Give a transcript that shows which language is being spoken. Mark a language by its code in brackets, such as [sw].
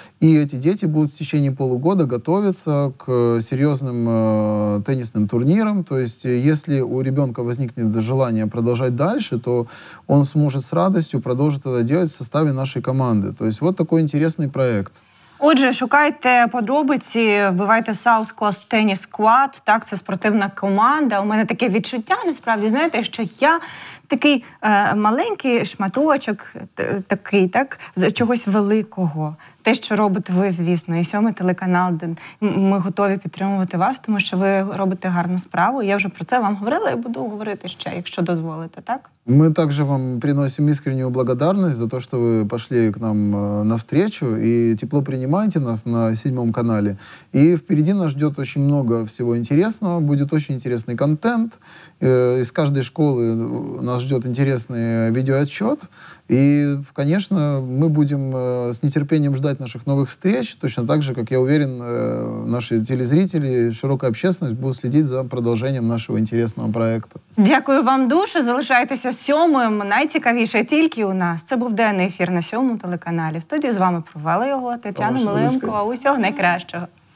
[ru] И эти дети будут в течение полугода готовиться к серьезным теннисным турнирам. То есть, если у ребенка возникнет желание продолжать дальше, то он сможет с радостью продолжить это делать в составе нашей команды. То есть, вот такой интересный проект. [uk] Отже, шукайте подробиці, вбивайте South Coast Tennis Squad. Так, це спортивна команда. У мене таке відчуття, насправді, знаєте, що я такий маленький шматочок, такий, так, з чогось великого. Те, що робите ви, звісно, і сьомий телеканал, де ми готові підтримувати вас, тому що ви робите гарну справу. Я вже про це вам говорила, я буду говорити ще, якщо дозволите, так? Ми також вам приносимо іскренню благодарність за те, що ви пішли [ru] к нам навстречу [uk] і тепло приймаєте нас на сьомому каналі. І впереді нас чекає дуже багато всього цікавого, буде дуже цікавий контент. Із кожної школи нас чекає цікавий відеоотчет. [ru] И, конечно, мы будем с нетерпением ждать наших новых встреч, точно так же, как, я уверен, наши телезрители и широкая общественность будут следить за продолжением нашего интересного проекта. [uk] Дякую вам дуже. Залишайтеся сьомим. Найцікавіше тільки у нас. Це був денний ефір на сьомому телеканалі. В студії з вами провела його Тетяна Милимко. Усього найкращого.